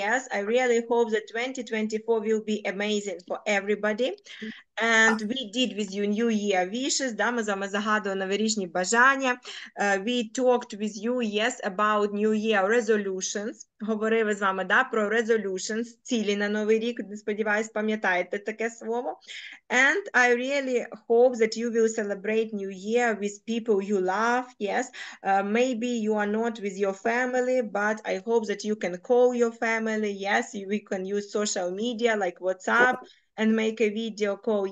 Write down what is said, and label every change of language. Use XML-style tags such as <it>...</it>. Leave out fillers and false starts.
<en>Yes, I really hope that 2024 will be amazing for everybody. And we did with you New Year wishes.</en> <uk>Да, ми з вами загадували новорічні бажання.</uk> <en>We talked with you, yes, about New Year resolutions.</en> <uk>Говорили з вами, да, про resolutions, цілі на Новий рік. Сподіваюсь, пам'ятаєте таке слово.</uk> <en>And I really hope that you will celebrate New Year with people you love. Yes, maybe you are not with your family, but I hope that you can call your family. Yes, we can use social media like WhatsApp and make a video call.</en>